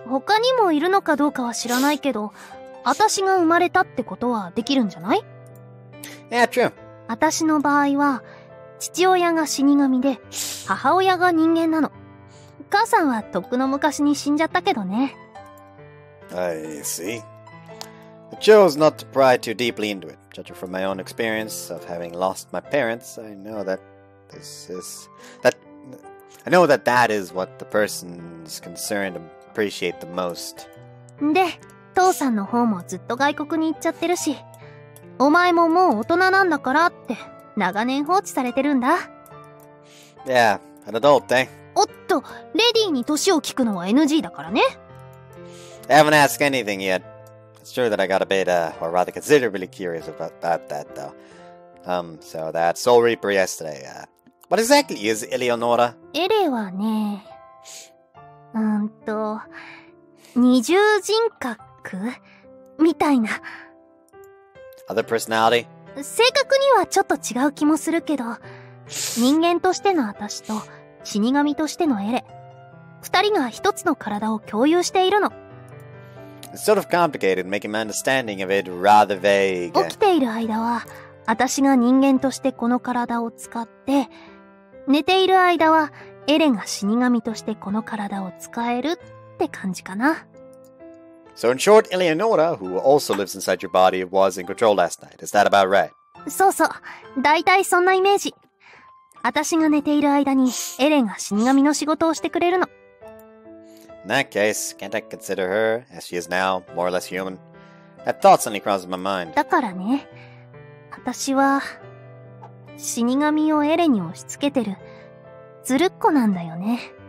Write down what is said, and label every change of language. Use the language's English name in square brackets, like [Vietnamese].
[Japanese] 他にもいるのかどうかは知らないけど、私が生まれたってことはできるんじゃない? [English] Yeah, true. [Japanese] 私の場合は、父親が死神で、母親が人間なの。母さんはとっくの昔に死んじゃったけどね。 [English] I see. I chose not to pry too deeply into it. Judging from my own experience of having lost my parents, I know that... I know that that is what the persons concerned appreciate the most. [Japanese] で、父さんの方もずっと外国に行っちゃってるし、お前ももう大人なんだからって長年放置されてるんだ。 [English] Yeah, an adult, eh? [Japanese] おっと、レディーに歳を聞くのは NG だからね。 [English] I haven't asked anything yet. It's true that I got a bit, or rather considerably curious about that, though. So that Soul Reaper yesterday, what exactly is Eleonora? [Japanese] エレはね、二重人格みたいな。 [English] Other personality? [Japanese] 性格にはちょっと違う気もするけど、人間としての私と死神としてのエレ、二人が一つの体を共有しているの。 [English] It's sort of complicated, making my understanding of it rather vague. [Japanese] 起きている間は、私が人間としてこの体を使って、寝ている間はエレンが死神としてこの体を使えるって感じかな。 [English] So in short, Eleonora, who also lives inside your body, was in control last night. Is that about right? [Japanese] そうそう。だいたいそんなイメージ。私が寝ている間にエレンが死神の仕事をしてくれるの。 [English] In that case, can't I consider her, as she is now, more or less human? That thought suddenly crosses my mind. [Japanese] だからね、私は死神をエレンに押し付けてるずるっ子なんだよね。